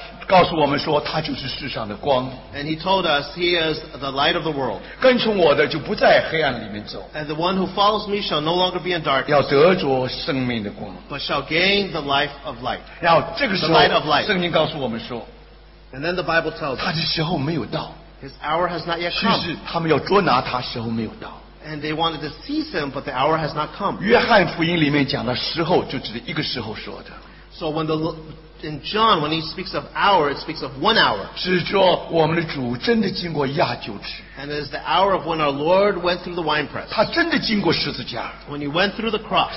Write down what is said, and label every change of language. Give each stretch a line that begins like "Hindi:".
Chinese: 告诉我们说他就是世上的光。
English: And he told us he is the light of the world.
Chinese: 跟从我的就不在黑暗里面走。
English: And the one who follows me shall no longer be in darkness.
Chinese: 要得着生命的光。
English: But shall gain the life of light.
Chinese: 然后这个时候
English: the light of light.
Chinese: 圣经告诉我们说
English: And then the Bible tells us.
Chinese: 他的时候没有到。
English: His hour has not yet come.
Chinese: 其实他们要捉拿他时候没有到。
English: And they wanted to seize him, but the hour has not come.
Chinese: 约翰福音里面讲的时候就指的一个时候说的。
English: So when the... In John, when he speaks of hour, it speaks of one hour.
Chinese: 是说我们的主真的经过亚酒池。
English: And it is the hour of when our Lord went through the wine press.
Chinese: 他真的经过十字架。
English: When he went through the cross.